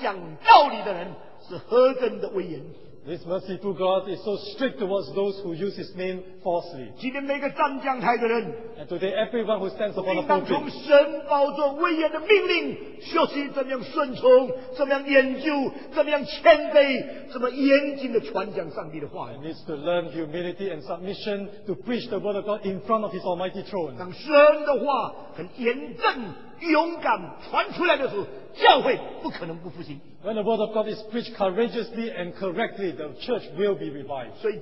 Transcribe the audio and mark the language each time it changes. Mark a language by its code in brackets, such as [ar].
[zh] 这位满有慈爱的神对假冒他传讲道理的人是何等的威严。 [en] This merciful God is so strict towards those who use his name falsely. [zh] 今天每个站讲台的人, [en] and today everyone who stands upon the pulpit, [zh] 应当从神宝座威严的命令学习怎么样顺从怎么样研究怎么样谦卑怎么严谨地传讲上帝的话语。 [en] He needs to learn humility and submission to preach the word of God in front of his almighty throne. [zh] 当神的话很严正 勇敢传出来的时候，教会不可能不复兴。 [en] When the word of God is preached courageously and correctly, the church will be revived.